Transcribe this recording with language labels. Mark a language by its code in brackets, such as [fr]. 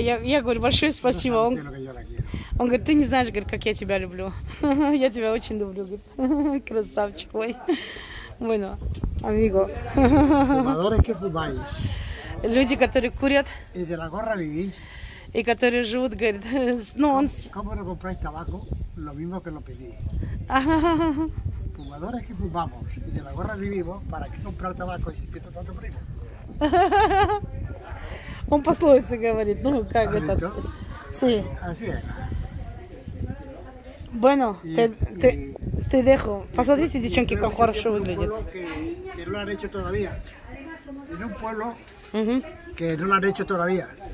[ru] Я говорю, большое спасибо. Он говорит, ты не знаешь, говорит, как я тебя люблю. Я тебя очень люблю, говорит. Красавчик. Ой. [es] Bueno, amigo. Fumadores que fumáis. [ru] Люди, которые курят. [es] Y de la gorra vivís. [ru] И которые живут, говорит, ну он... [es] ¿Cómo no compráis tabaco? Lo mismo que lo pedí. Fumadores que fumamos y de la gorra vivimos, ¿para qué comprar tabaco si tiene tanto primo? [ru] Он пословица говорит, ну как это? [es] Sí. Así es. Bueno, te dejo. [ru] Посмотрите, девчонки, как хорошо выглядит. [es] Que no lo han hecho todavía. En un pueblo que no lo han hecho todavía.